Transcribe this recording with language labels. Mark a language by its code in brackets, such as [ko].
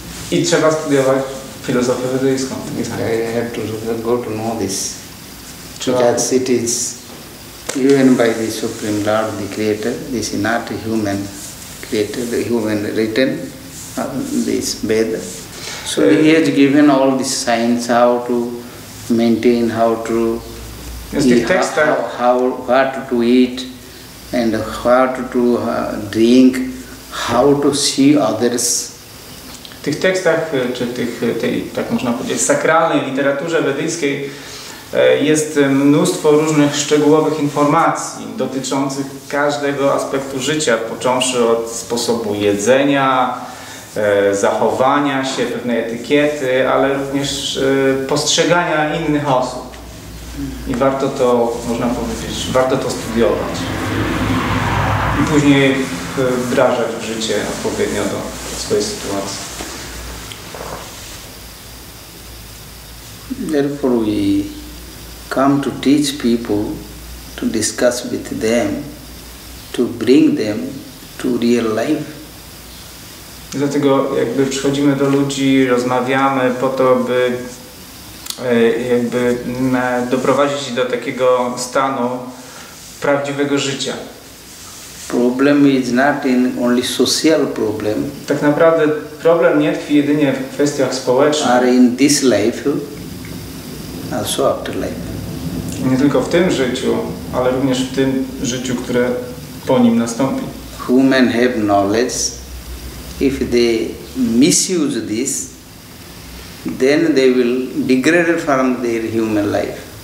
[pl] I trzeba studiować filozofię wedyjską. [en] I have to go to know this. Because it is given by the Supreme Lord, the Creator. This is not a human created, the human written, this Veda. So he has given all this science, how to maintain, how to what to eat, and what to drink, how to see others. [pl] W tych tekstach, czy tych, tej, tak można powiedzieć, sakralnej literaturze wedyjskiej jest mnóstwo różnych szczegółowych informacji dotyczących każdego aspektu życia, począwszy od sposobu jedzenia, zachowania się, pewnej etykiety, ale również postrzegania innych osób. I warto to, można powiedzieć, warto to studiować. I później wdrażać w życie odpowiednio do swojej sytuacji. [en] Therefore we come to teach people, to discuss with them, to bring them to real life. [pl] Dlatego jakby przychodzimy do ludzi, rozmawiamy po to, by jakby doprowadzić do takiego stanu prawdziwego życia. [en] Problem is not in only social problem. [pl] Tak naprawdę problem nie tkwi jedynie w kwestiach społecznych. [en] Are in this life, also after life. [pl] Nie tylko w tym życiu, ale również w tym życiu, które po nim nastąpi. [en] Human have knowledge. If they misuse this, then they will degrade from their human life.